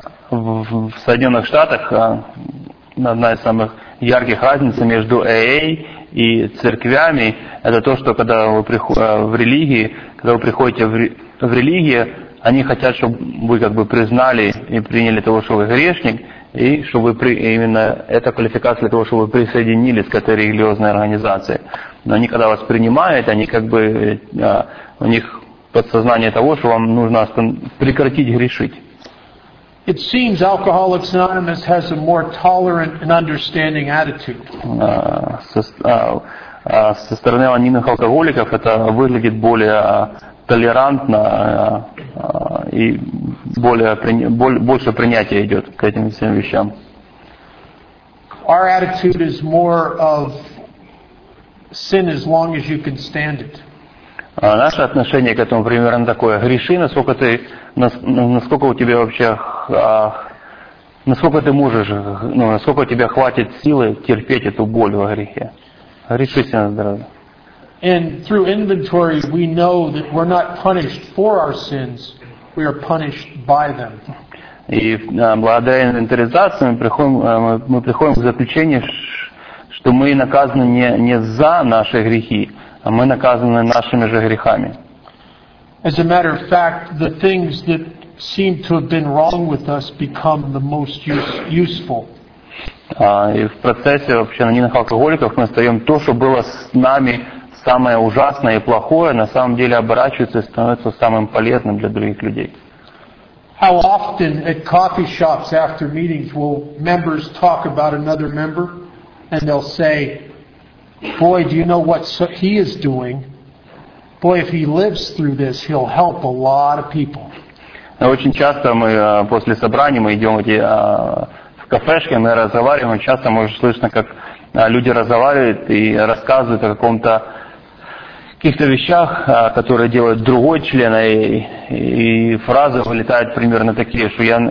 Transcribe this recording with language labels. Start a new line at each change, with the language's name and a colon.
Russian: В Соединенных Штатах одна из самых ярких разниц между AA и церквями это то, что когда вы приходите в религии, когда вы приходите в религию, они хотят, чтобы вы как бы признали и приняли того, что вы грешник, и чтобы именно эта квалификация для того, чтобы вы присоединились к этой религиозной организации. Но они когда вас принимают, они как бы у них подсознание того, что вам нужно прекратить грешить.
English: It seems Alcoholics Anonymous has a more tolerant and understanding attitude.
Russian: Со стороны анонимных алкоголиков это выглядит более толерантно и больше принятия идет к этим всем вещам.
English: Our attitude is more of sin as long as you can stand it.
Russian: Наше отношение к этому примерно такое. Греши, насколько у тебя вообще, насколько ты можешь, ну, насколько у тебя хватит силы терпеть эту боль во грехе. Грешись на здоровье.
English: And through inventory we know that we're not punished for our sins, we are punished by them.
Russian: И благодаря инвентаризации мы приходим к заключению, что мы наказаны не за наши грехи, а мы наказаны нашими же грехами.
English: As a matter of fact, the things that seem to have been wrong with us become the most useful.
Russian: И в процессе вообще анонимных алкоголиков мы остаем то, что было с нами самое ужасное и плохое, на самом деле оборачивается и становится самым полезным для других людей.
English: How often at coffee shops after meetings will members talk about another member and they'll say, boy, do you know what he is doing? Boy, if he lives through this, he'll help a lot of people.
Russian: Очень часто мы после собрания, мы идем в кафешки, мы разговариваем, часто можно слышно, как люди разговаривают и рассказывают о каких-то вещах, которые делает другой член, и фразы вылетают примерно такие, что